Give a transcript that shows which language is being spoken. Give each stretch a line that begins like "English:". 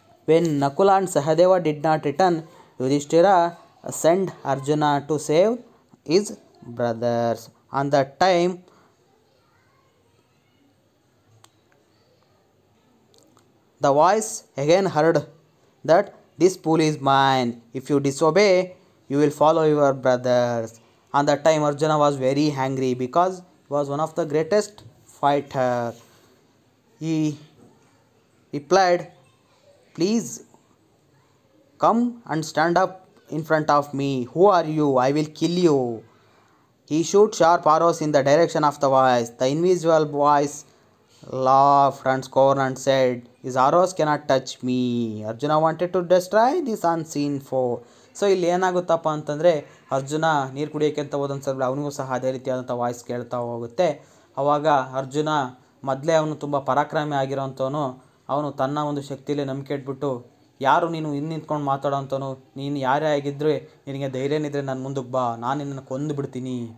English: When Nakula and Sahadeva did not return, Yudhishthira send Arjuna to save his brothers. On that time the voice again heard that This pool is mine. If you disobey, you will follow your brothers. At that time, Arjuna was very angry because he was one of the greatest fighter. He replied, please come and stand up in front of me. Who are you? I will kill you. He shoot sharp arrows in the direction of the voice. The invisible voice laughed and scorned and said, his arrows cannot touch me. Arjuna wanted to destroy this unseen foe.
Kannada: So ಇಲ್ಲಿ ಏನಾಗುತ್ತಪ್ಪ ಅಂತಂದರೆ, ಅರ್ಜುನ ನೀರು ಕುಡಿಯೋಕೆ ಅಂತ ಹೋದಂಥ ಸಂದರ್ಭ ಅವನಿಗೂ ಸಹ ಅದೇ ರೀತಿಯಾದಂಥ ವಾಯ್ಸ್ ಕೇಳ್ತಾ ಹೋಗುತ್ತೆ. ಆವಾಗ ಅರ್ಜುನ ಮೊದಲೇ ಅವನು ತುಂಬ ಪರಾಕ್ರಮಿ ಆಗಿರೋಂಥವನು, ಅವನು ತನ್ನ ಒಂದು ಶಕ್ತಿಯಲ್ಲಿ ನಂಬಿಕೆ ಇಟ್ಬಿಟ್ಟು ಯಾರು ನೀನು ಇನ್ನು ನಿಂತ್ಕೊಂಡು ಮಾತಾಡೋಂಥವನು, ನೀನು ಯಾರೇ ಆಗಿದ್ದರೆ ನಿನಗೆ ಧೈರ್ಯನಿದ್ರೆ ನನ್ನ ಮುಂದಕ್ಕೆ ಬಾ, ನಾನು ನಿನ್ನನ್ನು ಕೊಂದು ಬಿಡ್ತೀನಿ,